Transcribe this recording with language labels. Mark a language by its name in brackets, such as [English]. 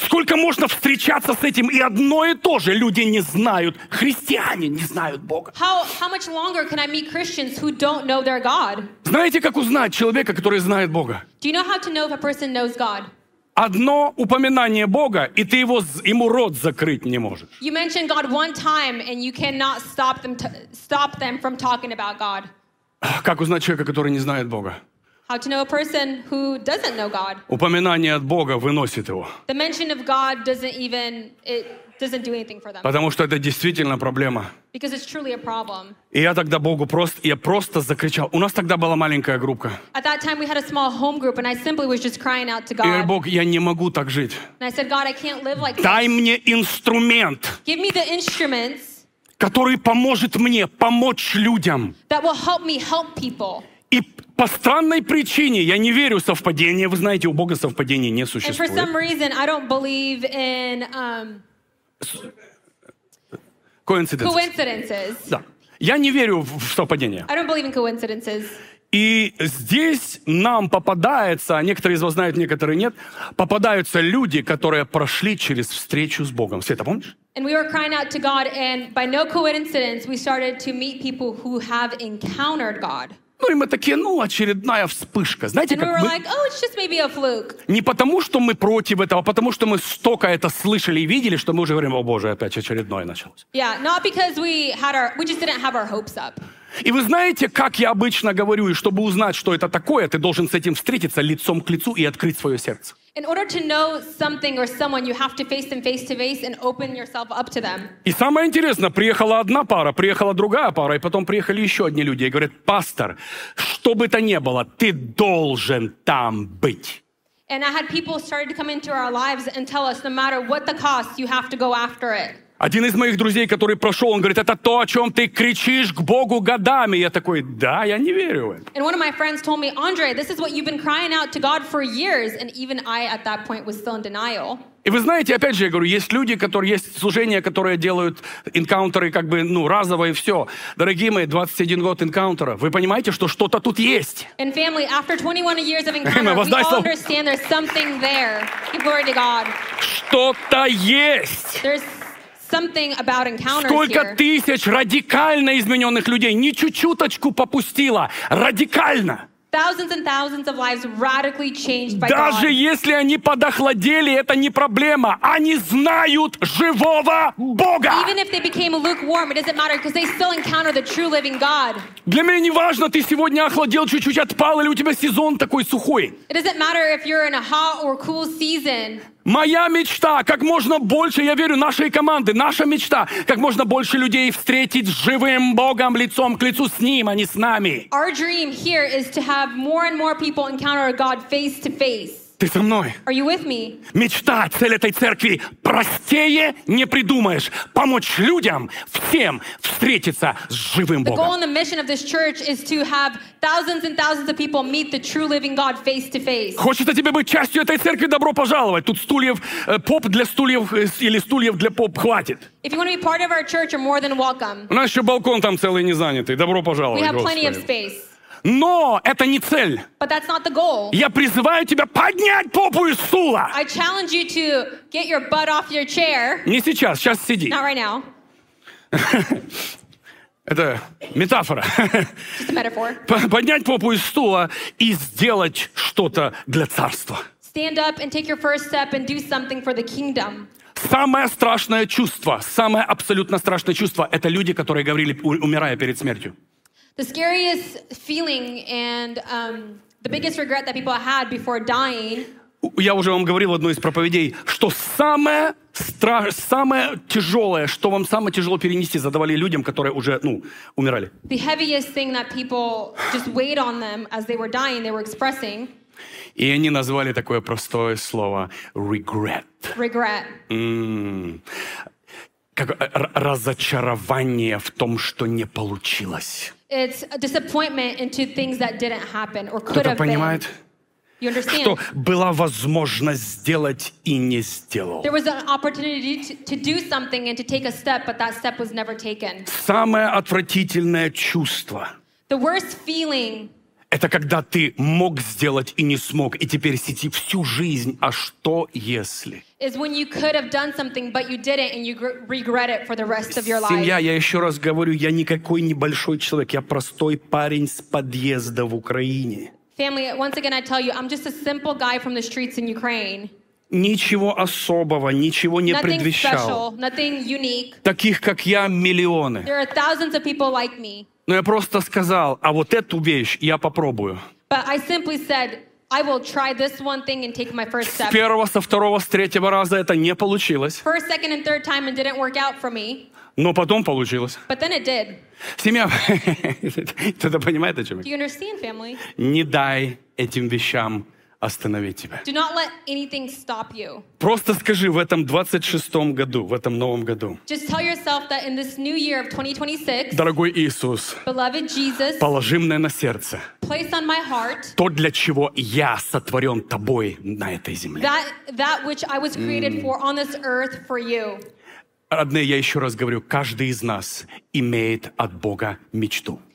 [Russian] Сколько можно встречаться с этим и одно и то же? Люди не знают, христиане не знают Бога. [English] How much longer can I meet Christians who don't know their God? [Russian] Знаете, как узнать человека, который знает Бога? [English] Do you know how to know if a person knows God? [Russian] Одно упоминание Бога, и ты его, ему рот закрыть не можешь. [English] You mention God one time, and you cannot stop them from talking about God. [Russian] Как узнать человека, который не знает Бога? [English] How to know a person who doesn't know God? [Russian] Упоминание от Бога выносит его. [English] The mention of God doesn't do anything for them. [Russian] Потому что это действительно проблема. [English] Because it's truly a problem. [Russian] И я тогда Богу просто, я просто закричал. У нас тогда была маленькая группка. [English] At that time we had a small home group, and I simply was just crying out to God. [Russian] И я говорю, Бог, я не могу так жить. [English] And I said, God, I can't live like this. [Russian] Дай мне инструмент. [English] Give me the instruments. [Russian] Который поможет мне помочь людям. [English] That will help me help people. [Russian] И по странной причине я не верю в совпадение. Вы знаете, у Бога совпадений не существует. [English] And for some reason I don't believe in coincidences. [Russian] Да. Я не верю в совпадение. [English] I don't believe in coincidences. [Russian] И здесь нам попадается, некоторые из вас знают, некоторые нет, попадаются люди, которые прошли через встречу с Богом. Света, помнишь? [English] And we were crying out to God, and by no coincidence we started to meet people who have encountered God. [Russian] Ну и мы такие, ну очередная вспышка, знаете, [English] and [Russian] как [English] we [Russian] мы... [English] like, oh, it's just maybe a fluke. [Russian] Не потому, что мы против этого, а потому, что мы столько это слышали и видели, что мы уже говорим, о Боже, опять очередное началось. [English] Yeah, not because we had our, we just didn't have our hopes up. [Russian] И вы знаете, как я обычно говорю, и чтобы узнать, что это такое, ты должен с этим встретиться лицом к лицу и открыть свое сердце. [English] In order to know something or someone, you have to face them face to face and open yourself up to them. [Russian] И самое интересное, приехала одна пара, приехала другая пара, и потом приехали еще одни люди. И говорят, пастор, что бы то ни было, ты должен там быть. [English] And I had people started to come into our lives and tell us, no matter what the cost, you have to go after it. [Russian] Один из моих друзей, который прошел, он говорит, это то, о чем ты кричишь к Богу годами. Я такой, да, я не верю в это. [English] And one of my friends told me, Andre, this is what you've been crying out to God for years. And even I at that point was still in denial. [Russian] И вы знаете, опять же, я говорю, есть люди, которые, есть служения, которые делают энкаунтеры как бы, ну, разово и все. Дорогие мои, 21 год энкаунтера, вы понимаете, что что-то тут есть? [English] And family, after 21 years of encounter, we all understand there's something there. Give glory to God. [Russian] Что-то есть. [English] There's something about encounters. [Russian] Сколько [English] here. [Russian] Тысяч радикально измененных людей не чуть-чуточку попустило, радикально. [English] Thousands and thousands of lives radically changed by [Russian] даже [English] God. [Russian] Если они подохладели, это не проблема. Они знают живого Бога. [English] Even if they became lukewarm, it doesn't matter because they still encounter the true living God. [Russian] Для меня не важно, ты сегодня охладел чуть-чуть, отпал или у тебя сезон такой сухой. [English] It doesn't matter if you're in a hot or cool season. [Russian] Моя мечта, как можно больше, я верю, нашей команды, наша мечта, как можно больше людей встретить с живым Богом лицом к лицу с Ним, а не с нами. [English] Our dream here is to have more and more people encounter God face to face. [Russian] Ты со мной? [English] Are you with me? [Russian] Мечта, цель этой церкви, простее не придумаешь. Помочь людям, всем, встретиться с живым Богом. [English] The goal and the mission of this church is to have thousands and thousands of people meet the true living God face to face. [Russian] Хочется тебе быть частью этой церкви? Добро пожаловать. Тут стульев, поп для стульев или стульев для поп хватит. [English] If you want to be part of our church, you're more than welcome. [Russian] У нас еще балкон там целый не занятый. Добро пожаловать. [English] We have plenty of space. [Russian] Но это не цель. [English] But that's not the goal. [Russian] Я призываю тебя поднять попу из стула. [English] I challenge you to get your butt off your chair. [Russian] Не сейчас, сейчас сиди. [English] Not right now. [Russian] Это метафора. [English] Just a metaphor. [Russian] Поднять попу из стула и сделать что-то для царства. [English] Stand up and take your first step and do something for the kingdom. [Russian] Самое страшное чувство, самое абсолютно страшное чувство, это люди, которые говорили, умирая перед смертью. [English] The scariest feeling and the biggest regret that people had before dying. [Russian] Я уже вам говорил в одной из проповедей, что самое самое тяжелое, что вам самое тяжело перенести, задавали людям, которые уже, ну, умирали. [English] The heaviest thing that people just weighed on them as they were dying, they were expressing. [Russian] И они назвали такое простое слово regret. [English] Regret. [Russian] Как разочарование в том, что не получилось. [English] It's a disappointment into things that didn't happen or could have been. You understand? [Russian] Что была возможность сделать и не сделал. [English] There was an opportunity to do something and to take a step, but that step was never taken. [Russian] Самое отвратительное чувство. [English] The worst feeling. [Russian] Это когда ты мог сделать и не смог, и теперь сиди всю жизнь, а что если? [English] Is when you could have done something, but you didn't, and you regret it for the rest of your life. [Russian] Семья, я еще раз говорю, я никакой небольшой человек, я простой парень с подъезда в Украине. [English] Family, once again I tell you, I'm just a simple guy from the streets in Ukraine. [Russian] ничего особого, ничего не предвещал. Таких, как я, миллионы. [English] There are thousands of people like me. [Russian] Но я просто сказал, а вот эту вещь я попробую. [English] But I simply said, I will try this one thing and take my first step. [Russian] С первого, со второго, с третьего раза это не получилось. [English] First, second, and third time it didn't work out for me. [Russian] Но потом получилось. [English] But then it did. [Russian] Семья, кто-то понимает, о чем я? [English] Do you understand, family? [Russian] Не дай этим вещам остановить тебя. [English] Do not let anything stop you. [Russian] Просто скажи в этом 26-м году, в этом новом году. [English] Just tell yourself that in this new year of 2026, [Russian] дорогой Иисус, [English] beloved Jesus, [Russian] положи мне на сердце [English] place on my heart, [Russian] то, для чего я сотворен тобой на этой земле. [English] That which I was created for on this earth for you. [Russian] Родные, я еще раз говорю, каждый из нас имеет от Бога мечту.